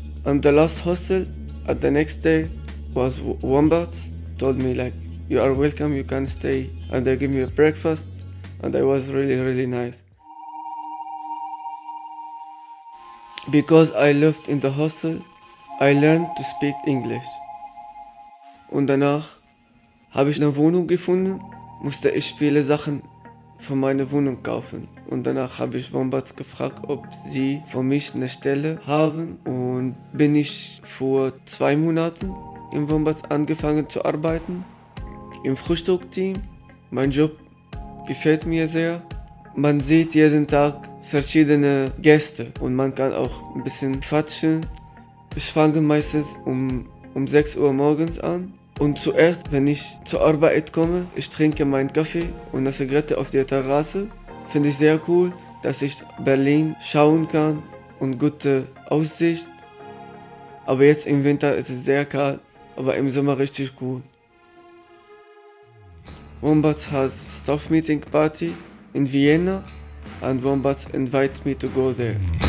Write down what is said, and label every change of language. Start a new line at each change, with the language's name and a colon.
English: And the last hostel at the next day was Wombats, told me like, you are welcome, you can stay. And they gave me a breakfast and it was really, really nice. Because I lived in the hostel, I learned to speak English.
German: Und danach habe ich eine Wohnung gefunden, musste ich viele Sachen für meine Wohnung kaufen. Und danach habe ich Wombats gefragt, ob sie für mich eine Stelle haben. Und bin ich vor 2 Monaten in Wombats angefangen zu arbeiten, im Frühstückteam. Mein Job gefällt mir sehr. Man sieht jeden Tag verschiedene Gäste und man kann auch ein bisschen quatschen. Ich fange meistens um 6 Uhr morgens an. Und zuerst, wenn ich zur Arbeit komme, ich trinke meinen Kaffee und eine Zigarette auf der Terrasse. Finde ich sehr cool, dass ich Berlin schauen kann und gute Aussicht. Aber jetzt im Winter ist es sehr kalt, aber im Sommer richtig cool.
English: Wombats has staff meeting party in Vienna and Wombats invite me to go there.